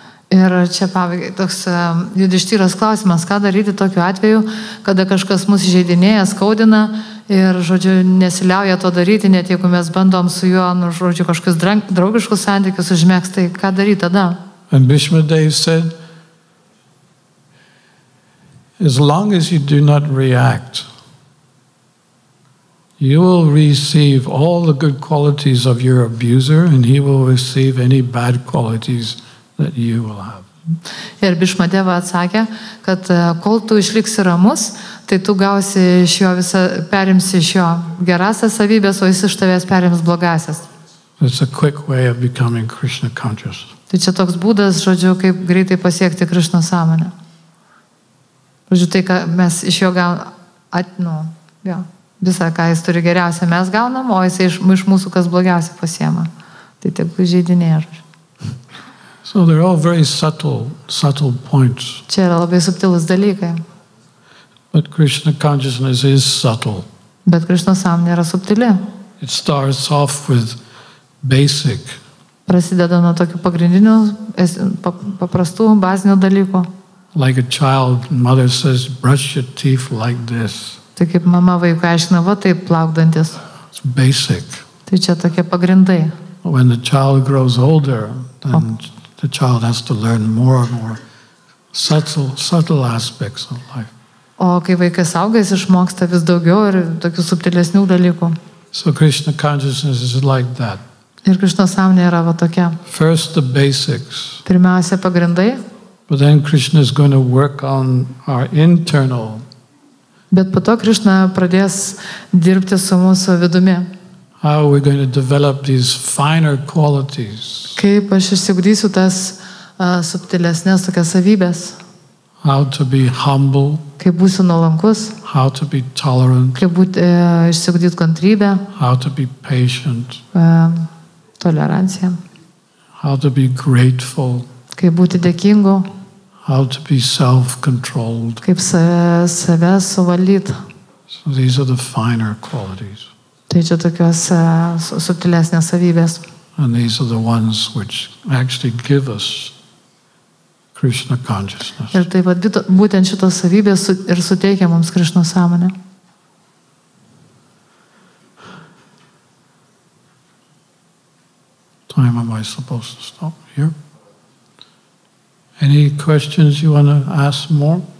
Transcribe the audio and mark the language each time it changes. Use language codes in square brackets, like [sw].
[lt] Ir čia pavyzdžiui, toks Judištyras klausimas, ką daryti tokiu atveju, kada kažkas mūsų žaidinėja, skaudina ir, žodžiu, nesiliauja to daryti, net jeigu mes bandom su juo, žodžiu, kažkas draugiškus santykius užmėgsti, tai ką daryti tada? [en] And Bhishma Dev said, as long as you do not react, you will receive all the good qualities of your abuser and he will receive any bad qualities that you will have. [lt] Ir Bhishma Deva atsakė, kad kol tu išliksi ramus, tai tu gausi iš jo visą, perimsi iš jo gerasias savybės, o jis iš tavęs perims blogasias. [en] It's a quick way of becoming Krishna conscious. [lt] Tai čia toks būdas, žodžiu, kaip greitai pasiekti Krishna sąmonę. Žodžiu, tai, ką mes iš jo visą, ką jis turi geriausia, mes gaunam, o jis iš mūsų kas blogiausia pasiema. Tai tik žaidinė. [en] So they're all very subtle points. [lt] Čia yra labai subtilus dalykai. [en] But Krishna consciousness is subtle. [lt] Bet Krishna sąmonė yra subtili. [en] It starts off with basic. [lt] Prasideda nuo tokių pagrindinių, paprastų, bazinių dalykų. [en] Like a child, mother says, brush your teeth like this. [lt] Tai kaip mama vaikui aiškina, va taip plauk dantis. [en] It's basic. [lt] Tai čia tokie pagrindai. [en] When the child grows older, then the child has to learn more and more subtle aspects of life. [lt] O kai vaikas auga, jis išmoksta vis daugiau ir tokių subtilesnių dalykų. [en] So Krishna consciousness is like that. [lt] Ir Krishna sąmonė yra va tokia. [en] First the basics. [lt] Pirmiausia pagrindai. [en] But then Krishna is going to work on our internal. [lt] Bet po to Krishna pradės dirbti su mūsų vidumi. [en] How are we going to develop these finer qualities? [lt] Kaip aš išsigudysiu tas subtilesnės tokias savybės? [en] How to be humble? [lt] Kaip būsiu nuolankus? [en] How to be tolerant? [lt] Kaip būti išsigudyt kantrybę? [en] How to be patient? [lt] Tolerancija. [en] How to be grateful? [lt] Kaip būti dėkingu. [en] How to be self-controlled. [lt] Kaip save suvaldyt. [en] So these are the finer qualities. [lt] Tai čia tokios subtilesnės savybės. [en] And these are the ones which actually give us Krishna consciousness. [lt] Ir taip pat būtent šitos savybės ir suteikia mums Krishna sąmonę. [en] Time am I supposed to stop here? Any questions you want to ask more?